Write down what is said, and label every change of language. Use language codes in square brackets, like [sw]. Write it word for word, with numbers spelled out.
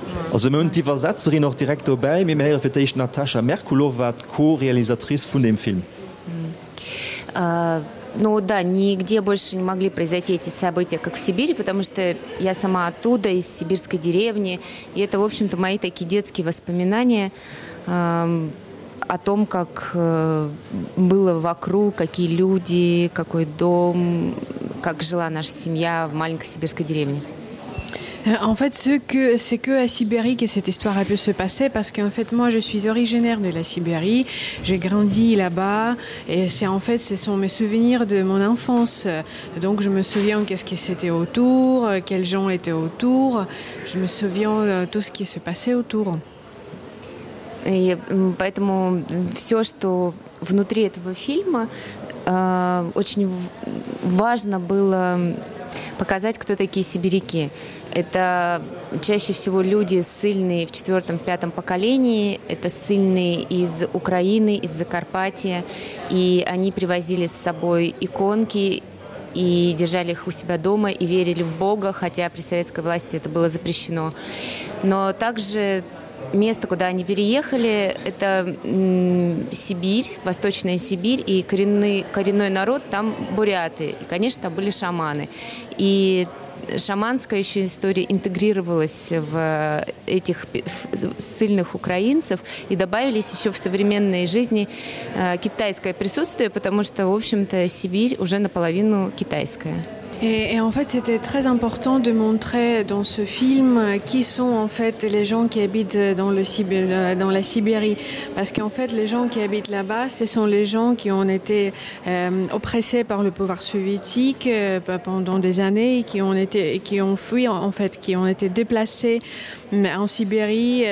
[de] Also wir haben die Übersetzerin auch direkt dabei. Wir hören für Natasha Merkulova, die Co-Realisatrice von dem Film. Uh, [ru] Но да, нигде больше не могли произойти эти события, как в Сибири, потому что я сама оттуда, из сибирской деревни. И это, в общем-то, мои такие детские воспоминания э, о том, как э, было вокруг, какие люди, какой дом, как жила наша семья в маленькой сибирской деревне. [fr] En fait, ce que, c'est que à Sibérie que cette histoire a pu se passer, parce qu'en fait, moi, je suis originaire de la Sibérie, j'ai grandi là-bas, et c'est en fait, ce sont mes souvenirs de mon enfance. Donc, je me souviens qu'est-ce qui c'était autour, quels gens étaient autour, je me souviens tout ce qui se passait autour. [ru] И поэтому все, что внутри этого фильма, э, очень важно было показать, кто такие сибиряки. Это чаще всего люди ссыльные в четвертом, пятом поколении, это ссыльные из Украины, из Закарпатья, и они привозили с собой иконки и держали их у себя дома и верили в Бога, хотя при советской власти это было запрещено. Но также место, куда они переехали, это Сибирь, Восточная Сибирь, и коренный, коренной народ там буряты, и, конечно, там были шаманы. И шаманская еще история интегрировалась в этих ссыльных украинцев, и добавились еще в современной жизни китайское присутствие, потому что, в общем-то, Сибирь уже наполовину китайская. [fr] Et, et en fait, c'était très important de montrer dans ce film qui sont en fait les gens qui habitent dans, le Sibérie, dans la Sibérie. Parce qu'en fait, les gens qui habitent là-bas, ce sont les gens qui ont été euh, oppressés par le pouvoir soviétique euh, pendant des années, et qui ont été, qui ont fui, en fait, qui ont été déplacés en Sibérie.